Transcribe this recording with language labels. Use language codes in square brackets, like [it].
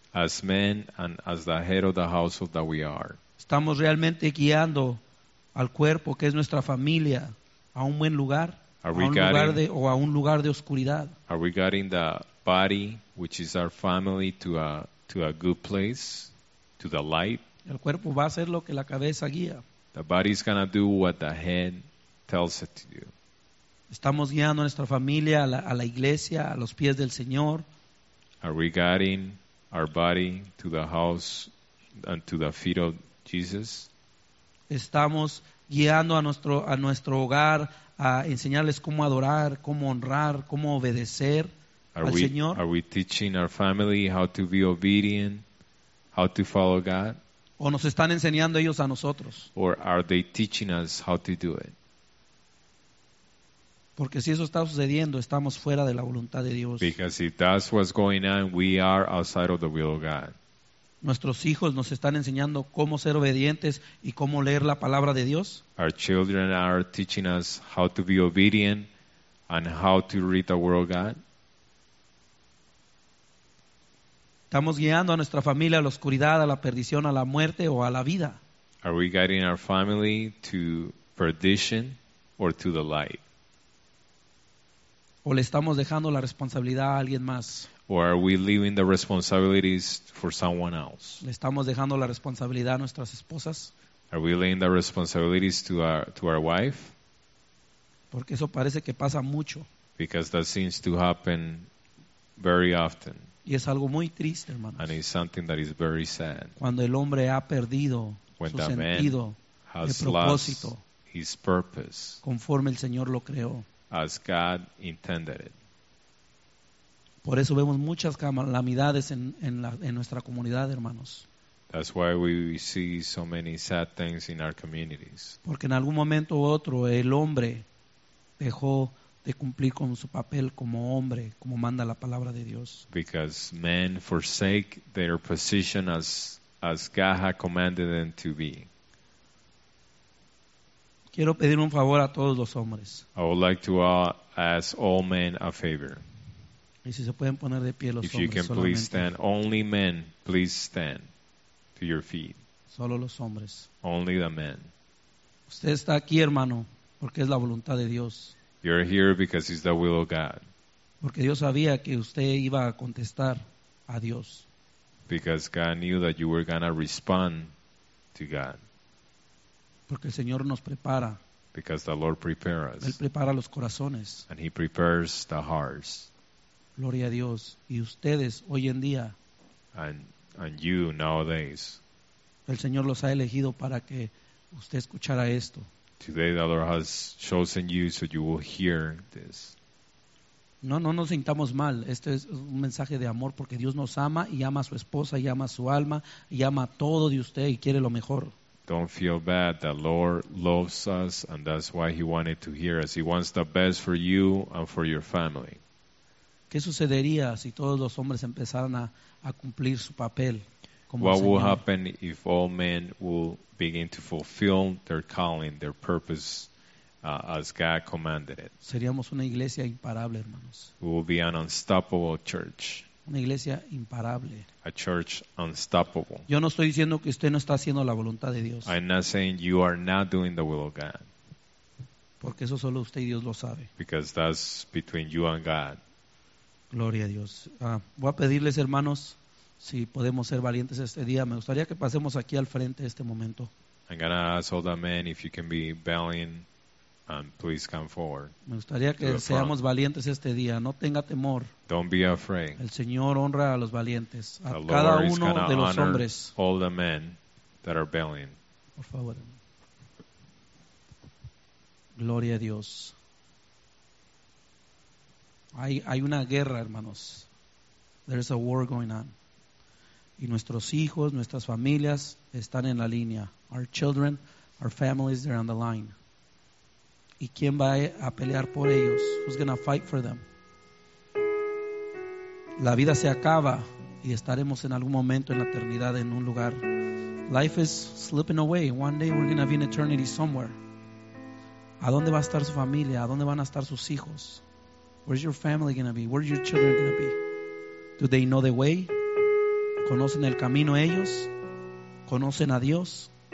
[en] As men and as the head of the household that we are. [es] Estamos realmente guiando al cuerpo que es nuestra familia a un buen lugar, a un lugar de oscuridad. [en] Are we guiding the body, which is our family, to a good place, to the light? [es] El cuerpo va a hacer lo que la cabeza guía. [en] The body is gonna do what the head tells it to do. [es] Estamos guiando a nuestra familia a la iglesia, a los pies del Señor. [en] Are we guiding our body to the house and to the feet of Jesus? [es] Estamos guiando a nuestro hogar a enseñarles cómo adorar, cómo honrar, cómo obedecer. [en] Are we teaching our family how to be obedient, how to follow God? [es] ¿O nos están enseñando ellos a nosotros? [en] Or are they teaching us how to do it? [es] Porque si eso está sucediendo, estamos fuera de la voluntad de Dios. [en] Because if that's what's going on, we are outside of the will of God. [es] Nuestros hijos nos están enseñando cómo ser obedientes y cómo leer la palabra de Dios. [en] Our children are teaching us how to be obedient and how to read the word of God. [es] ¿Estamos guiando a nuestra familia a la oscuridad, a la perdición, a la muerte o a la vida? [en] Are we guiding our family to perdition or to the light? [es] ¿O le estamos dejando la responsabilidad a alguien más? [en] Or are we leaving the responsibilities for someone else? [es] ¿Le estamos dejando la responsabilidad a nuestras esposas? [en] Are we leaving the responsibilities to our wife? [es] Porque eso parece que pasa mucho. [en] Because that seems to happen very often. [es] Y es algo muy triste, hermanos. [en] And it's something that is very sad. [es] Cuando el hombre ha perdido [en] when [es] su sentido, [en] has [es] el propósito, [en] lost his purpose, [es] conforme el Señor lo creó, [en] as God intended it. [es] Por eso vemos muchas calamidades en nuestra comunidad, hermanos. [en] That's why we see so many sad things in our communities. [es] Porque en algún momento u otro el hombre dejó de cumplir con su papel como hombre, como manda la palabra de Dios. [en] Because men forsake their position as God had commanded them to be. [es] Quiero pedir un favor a todos los hombres. [en] I would like to ask all men a favor. [es] Y si se pueden poner de pie los hombres solamente. [en] If you can please stand, only men, please stand to your feet. [es] Solo los hombres. [en] Only the men. [es] Usted está aquí, hermano, porque es la voluntad de Dios. [en] You're here because it's the will of God. [es] Porque Dios sabía que usted iba a contestar a Dios. [en] Because God knew that you were going to respond to God. [es] Porque el Señor nos prepara. [en] Because the Lord prepares. [es] Él prepara los corazones. [en] And He prepares the hearts. [es] Gloria a Dios. Y ustedes hoy en día. [en] And you nowadays. [es] El Señor los ha elegido para que usted escuchara esto. [en] Today the Lord has chosen you so you will hear this. [es] No, no nos sintamos mal. Este es un mensaje de amor porque Dios nos ama y ama a su esposa y ama a su alma y ama todo de usted y quiere lo mejor. [en] Don't feel bad. The Lord loves us and that's why He wanted to hear us. He wants the best for you and for your family. [es] ¿Qué sucedería si todos los hombres empezaran a cumplir su papel como [en] What will happen if all men will begin to fulfill their calling, their purpose, as God commanded it? [es] Seríamos una iglesia imparable, hermanos. [en] We will be an unstoppable church. [es] Una iglesia imparable. [en] A church unstoppable. [es] Yo no estoy diciendo que usted no está haciendo la voluntad de Dios. [en] I'm not saying you are not doing the will of God. [es] Porque eso solo usted y Dios lo sabe. [en] Because that's between you and God. [es] Gloria a Dios. Voy a pedirles, hermanos, si podemos ser valientes este día. Me gustaría que pasemos aquí al frente este momento. [en] I'm gonna ask all the men if you can be valiant and please come forward. [es] Me gustaría que seamos valientes este día. No tenga temor. [en] Don't be afraid. [es] El Señor honra a los valientes, a cada uno de los hombres. [en] All the men that are valiant. [es] Por favor. Gloria a Dios. Hay una guerra, hermanos. [en] There is a war going on. [es] Y nuestros hijos, nuestras familias están en la línea. [en] Our children, our families, they're on the line. [es] ¿Y quién va a pelear por ellos? [en] Who's going to fight for them? [es] La vida se acaba y estaremos en algún momento en la eternidad en un lugar. [en] Life is slipping away. One day we're going to be in eternity somewhere. [es] ¿A dónde va a estar su familia? ¿A dónde van a estar sus hijos? [en] Where's your family going to be? Where's your children going to be? Do they know the way? [es] ¿Conocen el camino ellos? ¿Conocen a Dios?